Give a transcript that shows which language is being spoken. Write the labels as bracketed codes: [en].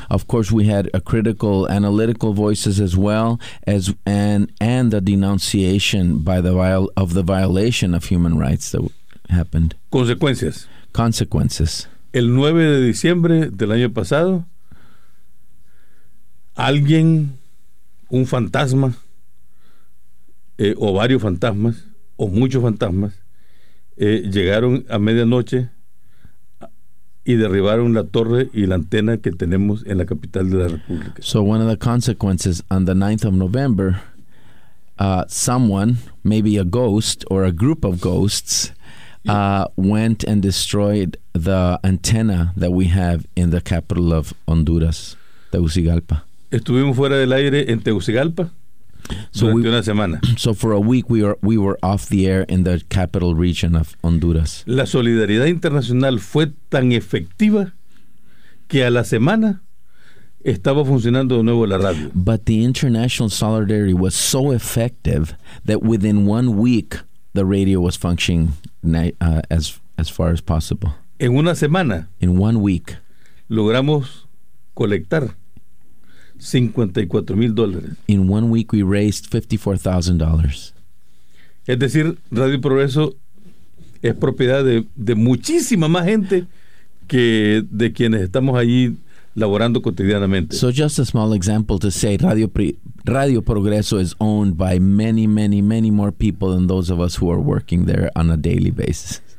[en] Of course, we had a critical, analytical voices as well as and a denunciation by the of the violation of human rights that happened. [es] Consecuencias. [en] Consequences. [es] El 9 de diciembre del año pasado, alguien, un fantasma, o varios fantasmas, o muchos fantasmas, llegaron a medianoche y derribaron la torre y la antena que tenemos en la capital de la República. [en] So one of the consequences on the 9th of November, someone, maybe a ghost or a group of ghosts, went and destroyed the antenna that we have in the capital of Honduras, Tegucigalpa. [es] Estuvimos fuera del aire en Tegucigalpa durante una semana. [en] So for a week we were off the air in the capital region of Honduras. [es] La solidaridad internacional fue tan efectiva que a la semana estaba funcionando de nuevo la radio. [en] But the international solidarity was so effective that within 1 week the radio was functioning as far as possible. [es] En una semana. [en] In 1 week. [es] Logramos colectar $54,000. [en] In 1 week we raised $54,000. [es] Es decir, Radio Progreso es propiedad de muchísima más gente que de quienes estamos allí laborando cotidianamente. [en] So just a small example to say Radio Progreso is owned by many, many, many more people than those of us who are working there on a daily basis.